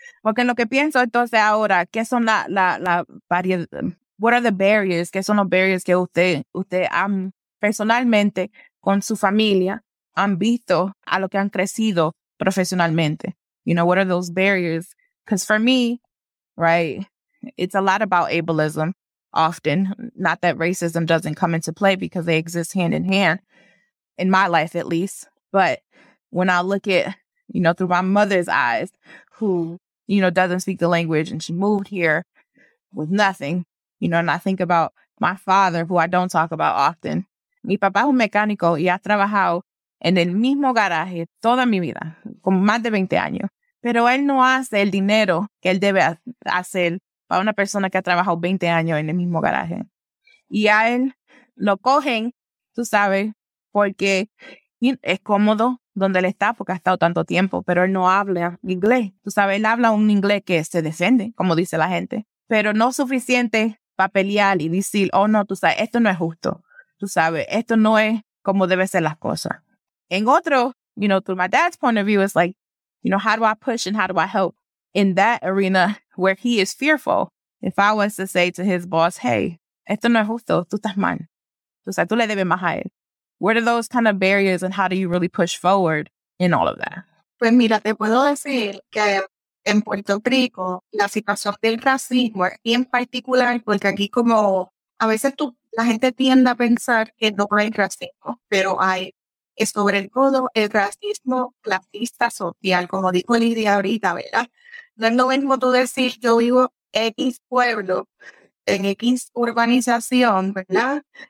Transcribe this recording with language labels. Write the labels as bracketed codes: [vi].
[es] Porque en lo que pienso entonces ahora, ¿qué son la variedad? [en] What are the barriers? [es] ¿Qué son los barriers que usted personalmente con su familia han visto a lo que han crecido profesionalmente? [en] You know, what are those barriers? Because for me, right, it's a lot about ableism often. Not that racism doesn't come into play, because they exist hand in hand, in my life at least. But when I look at, you know, through my mother's eyes, who, you know, doesn't speak the language and she moved here with nothing, you know, and I think about my father, who I don't talk about often. [es] Mi papá es un mecánico y ha trabajado en el mismo garaje toda mi vida, con más de 20 años. Pero él no hace el dinero que él debe hacer para una persona que ha trabajado 20 años en el mismo garaje. Y a él lo cogen, tú sabes, porque es cómodo donde él está, porque ha estado tanto tiempo, pero él no habla inglés. Tú sabes, él habla un inglés que se defiende, como dice la gente, pero no suficiente para pelear y decir, oh no, tú sabes, esto no es justo. Tú sabes, esto no es como deben ser las cosas. En otro, [en] you know, through my dad's point of view, it's like, you know, how do I push and how do I help in that arena where he is fearful? If I was to say to his boss, hey, [es] esto no es justo, tú estás mal. Tú sabes, tú le debes más a él. [en] What are those kind of barriers and how do you really push forward in all of that? [es] Pues mira, te puedo decir que en Puerto Rico, la situación del racismo en particular, porque aquí como a veces tú, la gente tiende a pensar que no hay racismo, pero hay, sobre todo, el racismo clasista social, como dijo Lidia ahorita, ¿verdad? No es lo mismo tú decir, yo vivo X pueblo, en X urbanización, ¿verdad?